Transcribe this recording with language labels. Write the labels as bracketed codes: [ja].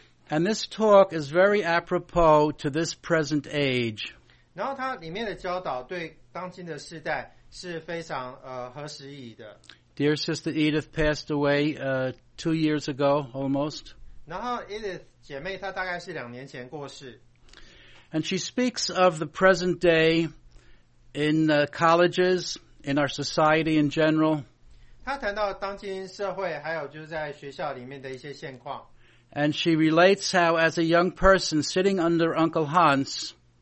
[en] And this talk is very apropos to this present age. [zh] 然后它里面的教导对当今的世代是非常合时宜的。 [en] Dear Sister Edith passed away 2 years ago, almost. [zh] 然后Edith姐妹她大概是2年前过世。 [en] And she speaks of the present day in colleges, in our society in general. [zh] 她谈到当今社会还有就是在学校里面的一些现况。 [en] And she relates how, as a young person sitting under Uncle Hans,